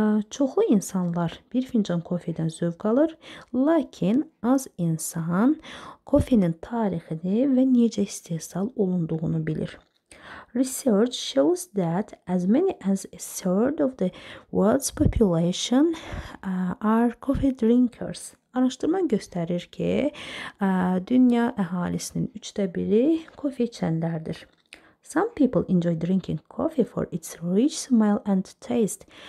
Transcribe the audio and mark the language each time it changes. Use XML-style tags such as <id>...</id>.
<az>Çoxlu insanlar bir fincan kofedən zövq alır, lakin az insan kofenin tarixini və necə istehsal olunduğunu bilir.</az> <en>Research shows that as many as a third of the world's population are coffee drinkers.</en> <az>Araşdırma göstərir ki, dünya əhalisinin 1/3 kofe içənlərdir.</az> <en>Some people enjoy drinking coffee for its rich smell and taste.</en>